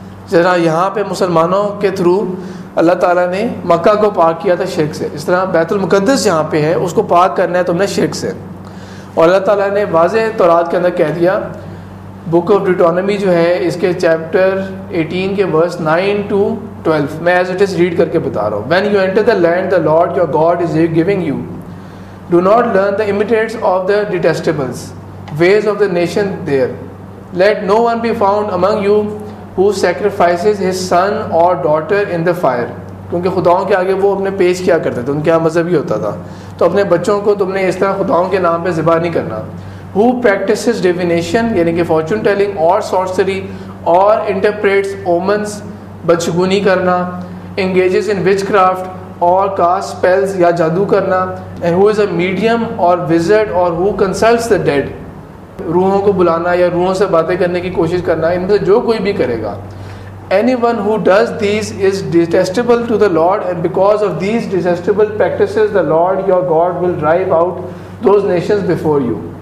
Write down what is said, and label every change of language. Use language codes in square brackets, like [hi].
[hi] जरा यहाँ पर मुसलमानों के थ्रू अल्लाह ताला ने मक्का को पाक किया था शिर्क से, इस तरह बैतुल मुकद्दस जहाँ पे है उसको पाक करना है तुमने शिर्क से। और अल्लाह ताला ने वाज़े तौरात के अंदर कह दिया, बुक ऑफ डिटोनमी जो है इसके चैप्टर 18 के वर्स 9-12, मैं [en] as it is read [hi] करके बता रहा हूँ। [en] When you enter the land the Lord your God is giving you, Do not learn the imitates of the detestables, ways of the nation there. Let no one be found among you who sacrifices his son or daughter in the fire. [hi] क्योंकि खुदाओं के आगे वो अपने पेश किया करते थे, उनके यहाँ मज़हब ही होता था, तो अपने बच्चों को तुमने इस तरह खुदाओं के नाम पर ज़िबा नहीं करना। [en] Who practices divination, [hi] यानी कि [en] fortune telling or sorcery, or interprets omens, [hi] बदशगुनी करना, [en] engages in witchcraft, और cast spells [hi] या जादू करना, [en] and who is a medium or wizard, or who consults the dead, [hi] रूहों को बुलाना या रूहों से बातें करने की कोशिश करना, इनमें से जो कोई भी करेगा, [en] Anyone who does these is detestable to the Lord, and because of these detestable practices the Lord your God will drive out those nations before you.